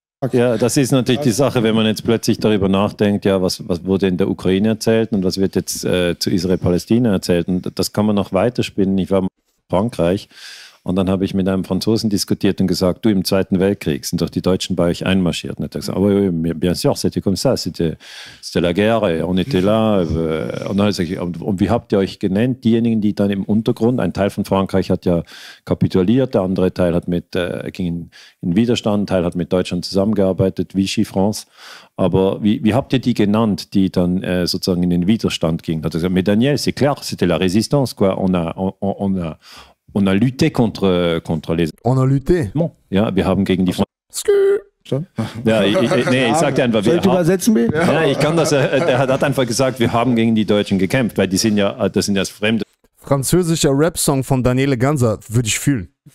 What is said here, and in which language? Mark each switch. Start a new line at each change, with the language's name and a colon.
German: Ja, das ist natürlich die Sache, wenn man jetzt plötzlich darüber nachdenkt, ja, was wurde in der Ukraine erzählt und was wird jetzt zu Israel-Palästina erzählt? Und das kann man noch weiterspinnen. Ich war in Frankreich und dann habe ich mit einem Franzosen diskutiert und gesagt, du, im Zweiten Weltkrieg sind doch die Deutschen bei euch einmarschiert. Und er hat gesagt, aber
French: bien sûr, c'était comme ça, c'était la guerre, on était là.
German: Und dann sage ich, und wie habt ihr euch genannt? Diejenigen, die dann im Untergrund, ein Teil von Frankreich hat ja kapituliert, der andere Teil hat mit ging in Widerstand, ein Teil hat mit Deutschland zusammengearbeitet, Vichy France. Aber wie habt ihr die genannt, die dann sozusagen in den Widerstand gingen? Hat er gesagt,
French: mais Daniel, c'est clair, c'était la résistance, quoi, on a lutté contre les.
German: Bon, ja, wir haben gegen die. Ja, ich sag dir einfach, soll ich übersetzen, Bill? Ja, ich kann das. Er hat einfach gesagt, wir haben gegen die Deutschen gekämpft, weil die sind ja, das sind ja Fremde. Französischer Rap-Song von Daniele Ganser würde ich fühlen.